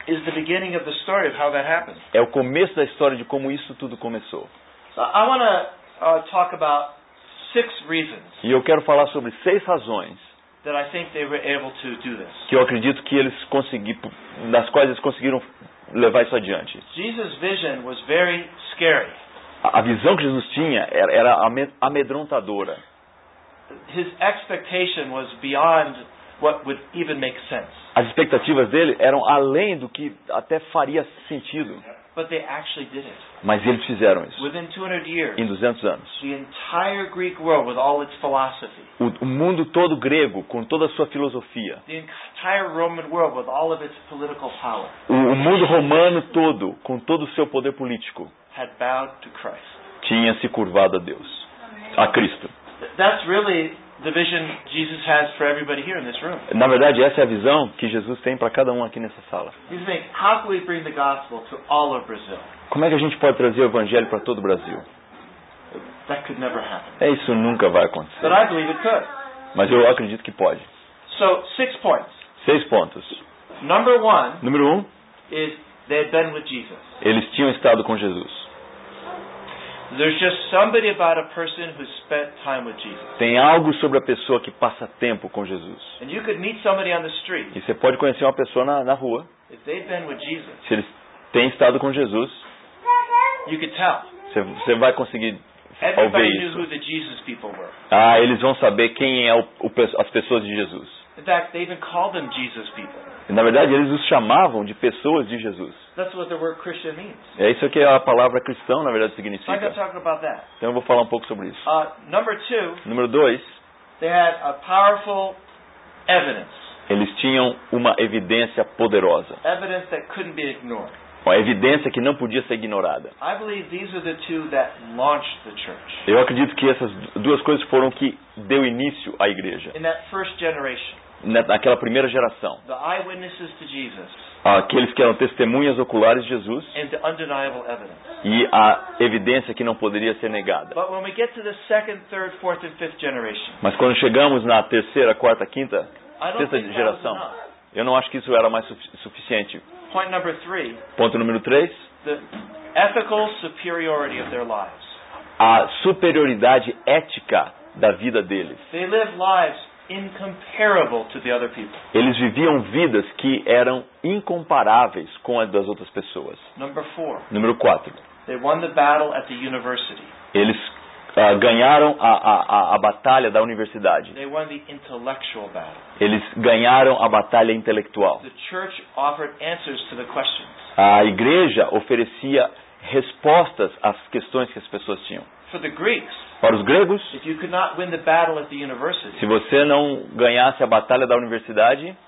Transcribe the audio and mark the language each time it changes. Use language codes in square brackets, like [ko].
[en] Is the beginning of the story of how that happened. [pt] É o começo da história de como isso tudo começou. [en] So I want to talk about six reasons. [pt] E eu quero falar sobre seis razões. [en] That I think they were able to do this. [pt] Que eu acredito que eles das quais eles conseguiram levar isso adiante. [en] Jesus' vision was very scary. [pt] A visão que Jesus tinha era amedrontadora. [en] His expectation was beyond what would even make sense. [pt] As expectativas dele eram além do que até faria sentido. [en] But they actually did it. [pt] Mas eles fizeram isso. [en] Within 200 years. [pt] Em 200 anos. [en] The entire Greek world with all its philosophy. [pt] O mundo todo grego com toda a sua filosofia. [en] The entire Roman world with all of its political power. [pt] O mundo romano todo com todo o seu poder político. [en] Had bowed to Christ. [pt] Tinha se curvado a Deus. A Cristo. [en] That's really the vision Jesus has for everybody here in this room. [pt] Na verdade, essa é a visão que Jesus tem para cada um aqui nessa sala. [en] He's saying, how can we bring the gospel to all of Brazil? [pt] Como é que a gente pode trazer o evangelho para todo o Brasil? [en] That could never happen. [pt] É, isso nunca vai acontecer. [en] But I believe it could. [pt] Mas eu acredito que pode. [en] So, 6 points. [pt] 6 pontos. [en] Number one. [pt] Número um. [en] Is they had been with Jesus. [pt] Eles tinham estado com Jesus. [en] There's just somebody about a person who spent time with Jesus. [pt] Tem algo sobre a pessoa que passa tempo com Jesus. [en] And you could meet somebody on the street. [pt] E você pode conhecer uma pessoa na rua. [en] If they've been with Jesus. [pt] Se eles têm estado com Jesus. [en] You could tell. [pt] Você vai conseguir ouvir isso. [en] Everybody knew who the Jesus people were. [pt] Ah, eles vão saber quem é as pessoas de Jesus. [en] In fact, they even called them Jesus people. [pt] Na verdade, eles os chamavam de pessoas de Jesus. [en] That's what the word Christian means. [pt] É isso que a palavra cristão, na verdade, significa. [en] I'm going to talk about that. [pt] Então eu vou falar um pouco sobre isso. [en] Number two. [pt] Número dois. [en] They had a powerful evidence. [pt] Eles tinham uma evidência poderosa. [en] Evidence that couldn't be ignored. [pt] Uma evidência que não podia ser ignorada. [en] I believe these are the two that launched the church. [pt] Eu acredito que essas duas coisas foram que deu início à igreja. [en] In that first generation. [pt] Naquela primeira geração. [en] The eyewitnesses to Jesus. [pt] Aqueles que eram testemunhas oculares de Jesus. [en] And the undeniable evidence. [pt] E a evidência que não poderia ser negada. [en] But when we get to the second, third, fourth and fifth generation. [pt] Mas quando chegamos na terceira, quarta, quinta, sexta geração, eu não acho que isso era mais suficiente. [en] Point number three, [pt] ponto número 3. [en] The ethical superiority of their lives. [pt] A superioridade ética da vida deles. [en] They live lives incomparable to the other people. [pt] Eles viviam vidas que eram incomparáveis com as das outras pessoas. [en] Number four, [pt] número 4. [en] They won the battle at the university. [pt] Eles ganharam a batalha da universidade. [en] They won the intellectual battle. [pt] Eles ganharam a batalha intelectual. [en] The church offered answers to the questions. [pt] A igreja oferecia respostas às questões que as pessoas tinham. [en] For the Greeks, [pt] para os gregos, [en] if you could not win the battle at the university, [pt] se você não ganhasse a batalha da universidade,